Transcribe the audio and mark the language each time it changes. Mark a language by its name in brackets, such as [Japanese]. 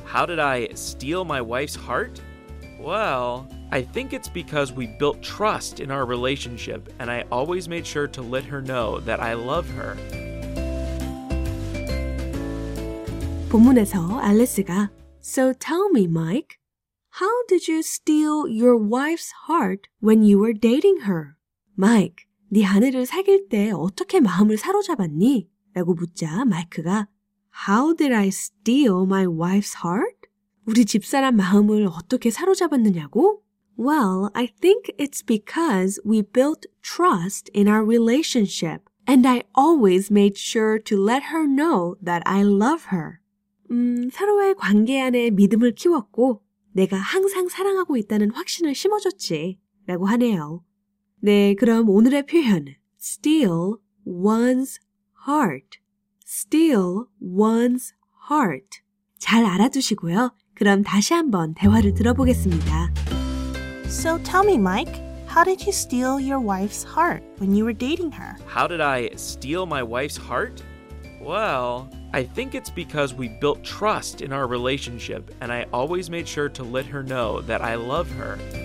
[English] How did I steal my wife's heart? Well, I think it's because we built trust in our relationship, and I always made sure to let her know that I love her. [Korean] 본문에서 알리스가, [English] So tell me, Mike, how did you steal your wife's heart when you were dating her? [Korean] Mike, 네 아내를 사귈 때 어떻게 마음을 사로잡았니? 라고 묻자 마이크가, [English] How did I steal my wife's heart? [Korean] 우리 집사람 마음을 어떻게 사로잡았느냐고? [English] Well, I think it's because we built trust in our relationship, and I always made sure to let her know that I love her. [Korean] 서로의 관계 안에 믿음을 키웠고 내가 항상 사랑하고 있다는 확신을 심어줬지 라고 하네요. 네, 그럼 오늘의 표현 [English] steal one's heart. Steal one's heart. [Korean] 잘 알아두시고요. 그럼 다시 한번 대화를 들어보겠습니다. [English] So tell me, Mike, how did you steal your wife's heart when you were dating her? How did I steal my wife's heart? Well, I think it's because we built trust in our relationship, and I always made sure to let her know that I love her.